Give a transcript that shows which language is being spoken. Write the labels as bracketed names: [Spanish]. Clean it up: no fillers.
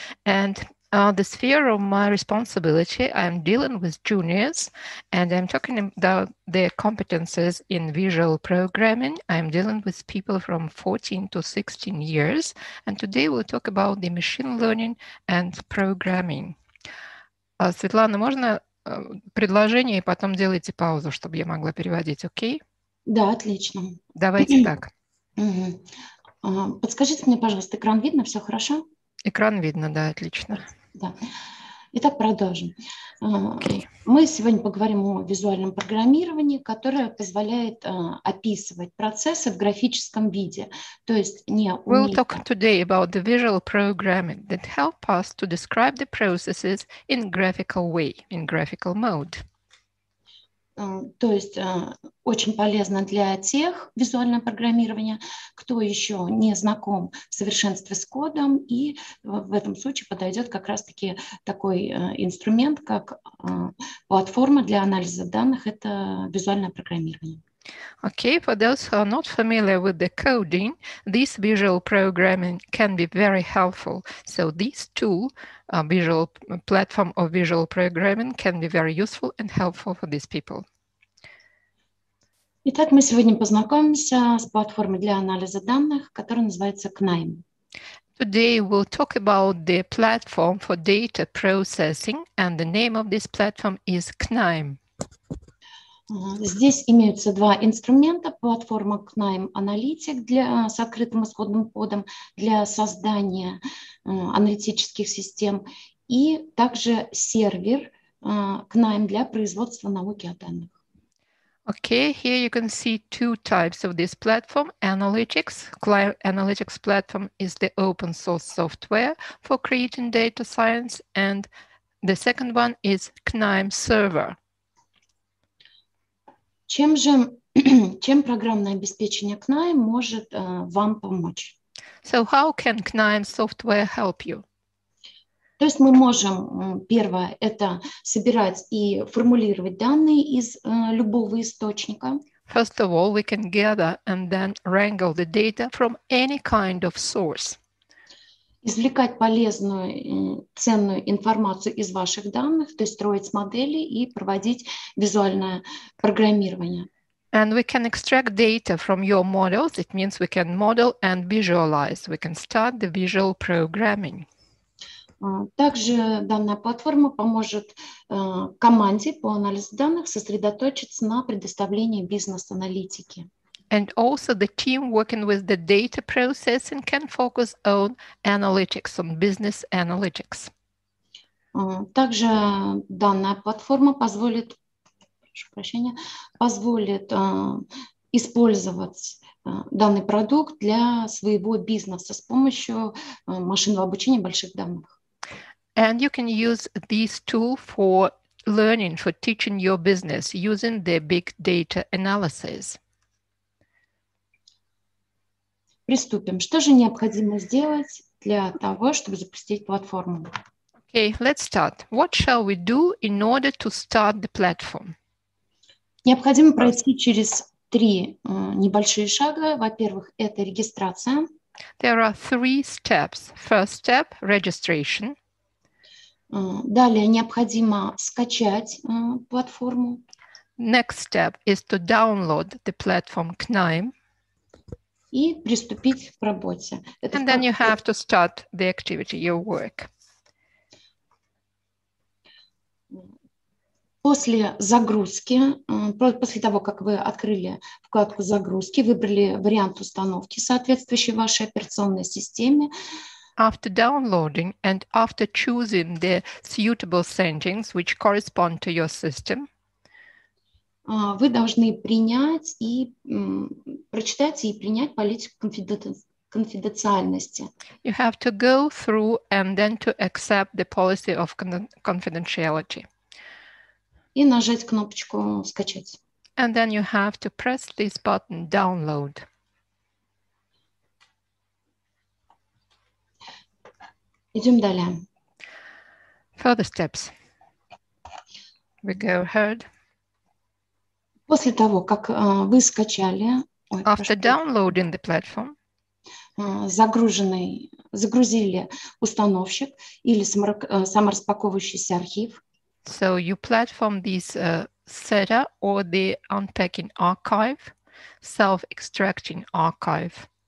[English] And the sphere of my responsibility, I'm dealing with juniors, and I'm talking about their competences in visual programming. I'm dealing with people from 14 to 16 years, and today we'll talk about the machine learning and programming. [Russian] Светлана, можно предложение, и потом делайте паузу, чтобы я могла переводить, окей? Да, отлично. Давайте так. Подскажите мне, пожалуйста, экран видно, все хорошо? Экран видно, да, отлично. Да. Итак, продолжим. Мы сегодня поговорим о визуальном программировании, которое позволяет описывать процессы в графическом виде. То есть не умеет... [English] We'll talk today about the visual programming that help us to describe the processes in graphical way, in graphical mode. [Russian] То есть очень полезно для тех визуального программирования, кто еще не знаком в совершенстве с кодом, и в этом случае подойдет как раз-таки такой инструмент, как платформа для анализа данных, это визуальное программирование. [English] Okay, for those who are not familiar with the coding, this visual programming can be very helpful. So this tool, a visual platform of visual programming, can be very useful and helpful for these people. [Russian] Итак, мы сегодня познакомимся с платформой для анализа данных, которая называется KNIME. [English] Today we'll talk about the platform for data processing, and the name of this platform is KNIME. [Russian] Здесь имеются два инструмента: платформа KNIME Analytic для с открытым исходным кодом для создания аналитических систем, и также сервер KNIME для производства науки о данных. [English] Okay, here you can see two types of this platform. Analytics, KNIME Analytics platform is the open source software for creating data science, and the second one is KNIME server. [Russian] Чем программное обеспечение KNIME может вам помочь? [English] So how can KNIME software help you? [Russian] То есть мы можем, первое, это собирать и формулировать данные из любого источника. [English] First of all, we can gather and then wrangle the data from any kind of source. [Russian] Извлекать полезную, ценную информацию из ваших данных, то есть строить модели и проводить визуальное программирование. [English] And we can extract data from your models. It means we can model and visualize. We can start the visual programming. [Russian] Также данная платформа поможет команде по анализу данных сосредоточиться на предоставлении бизнес-аналитики. [English] And also the team working with the data processing can focus on analytics, on business analytics. [Russian] Также данная платформа позволит, прошу прощения, позволит использовать данный продукт для своего бизнеса с помощью машинного обучения больших данных. [English] And you can use this tool for learning, for teaching your business using the big data analysis. [Russian] Приступим. Что же необходимо сделать для того, чтобы запустить платформу? [English] Okay, let's start. What shall we do in order to start the platform? [Russian] Необходимо пройти через три небольшие шага. Во-первых, это регистрация. [English] There are three steps. First step – registration. [Russian] Далее необходимо скачать платформу. [English] Next step is to download the platform KNIME. [Russian] И приступить к работе. Это [English] and then you have to start the activity, your work. [Russian] После загрузки, после того, как вы открыли вкладку загрузки, выбрали вариант установки, соответствующий вашей операционной системе, [English] after downloading and after choosing the suitable settings which correspond to your system, [Russian] вы должны принять и прочитать и принять политику конфиденциальности. [English] You have to go through and then to accept the policy of confidentiality. [Russian] И нажать кнопочку скачать. [English] And then you have to press this button download. [Russian] Идем далее. [English] Further steps. We go ahead. [Russian] После того, как вы скачали... [English] After downloading the platform. [Russian] Загрузили установщик или самораспаковывающийся архив. [English] So you platform this setter or the unpacking archive, self-extracting archive.